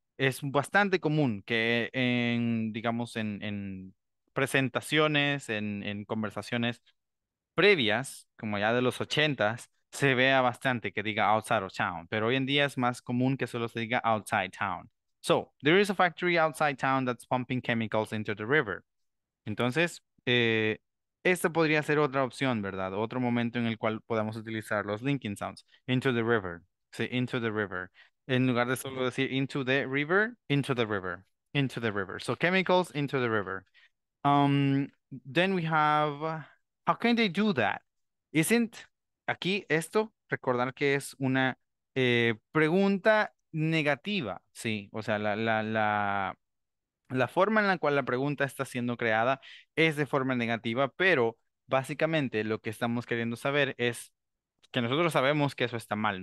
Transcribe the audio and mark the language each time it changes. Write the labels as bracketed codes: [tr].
[es] Es bastante común que en, digamos, en presentaciones, en conversaciones previas, como ya de los 80s, se vea bastante que diga [en] outside of town. [es] Pero hoy en día es más común que solo se diga [en] outside town. So, there is a factory outside town that's pumping chemicals into the river. [es] Entonces, esta podría ser otra opción, ¿verdad? Otro momento en el cual podamos utilizar los linking sounds. [en] Into the river. Sí, into the river. [es] En lugar de solo decir [en] into the river, into the river. Into the river. So, chemicals into the river. Then we have, how can they do that? [es] Isn't, aquí esto, recordar que es una pregunta negativa, sí, o sea, la forma en la cual la pregunta está siendo creada es de forma negativa, pero básicamente lo que estamos queriendo saber es que nosotros sabemos que eso está mal.